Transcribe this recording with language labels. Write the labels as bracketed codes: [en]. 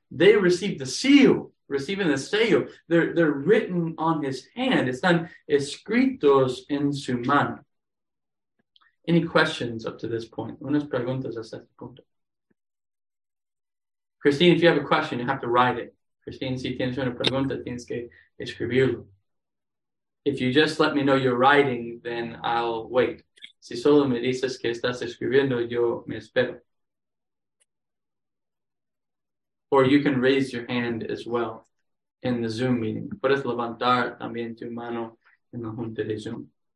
[en] They receive the seal, [es] reciben el sello. [en] They're written on his hand. [es] Están escritos en su mano. [en] Any questions up to this point? [es] ¿Unas preguntas hasta este punto? [en] Christine, if you have a question, you have to write it. [es] Christine, si tienes una pregunta, tienes que escribirlo. [en] If you just let me know you're writing, then I'll wait. [es] Si solo me dices que estás escribiendo, yo me espero. [en] Or you can raise your hand as well in the Zoom meeting. [es] Puedes levantar también tu mano en la junta de Zoom.